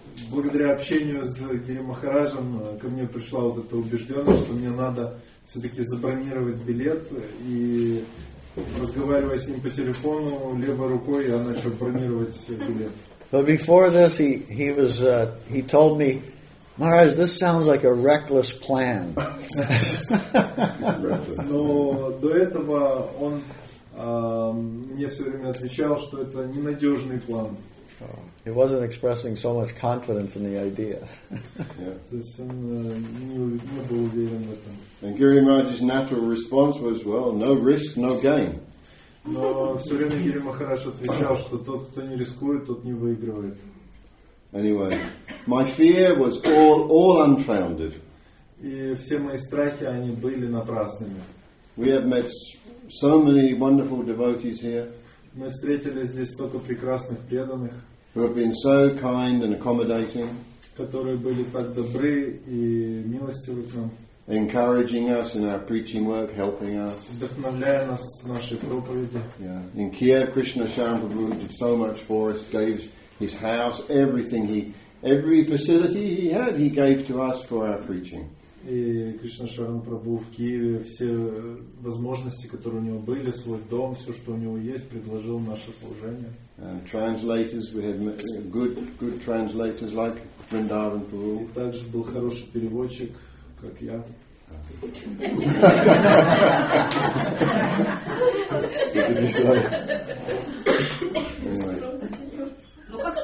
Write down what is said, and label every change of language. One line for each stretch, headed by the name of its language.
Russian: Благодаря общению с Гири Махараджем ко мне пришла вот эта убежденность, что мне надо все-таки забронировать билет и. Разговаривая с ним по телефону, левой рукой я начал бронировать билет.
English: But before this, he told me, Maharaj, this sounds like a reckless plan.
Russian: Но до этого он мне все время отвечал, что это ненадежный план.
English: He wasn't expressing so much confidence in the idea. Yeah. And Giri Maharaj's natural response was, well, no risk, no gain. Anyway, my fear was all unfounded. We have met so many wonderful devotees here. Who have been so kind and accommodating,
Russian: которые были так добры и милостивы к нам,
English: encouraging us in our preaching work, helping us,
Russian: вдохновляя нас в нашей проповеди.
English: Yeah. In Kiev, Krishna Sharan Prabhu did so much for us, gave his house, everything he, every facility he had, he gave to us for our preaching.
Russian: И Кришна Шаран Прабху в Киеве все возможности, которые у него были, свой дом, все, что у него есть, предложил наше служение.
English: And translators, we had good translators like Vrindavan Prabhu.
Russian: И также был хороший переводчик, как я. Ну как сказали, так он и перевел.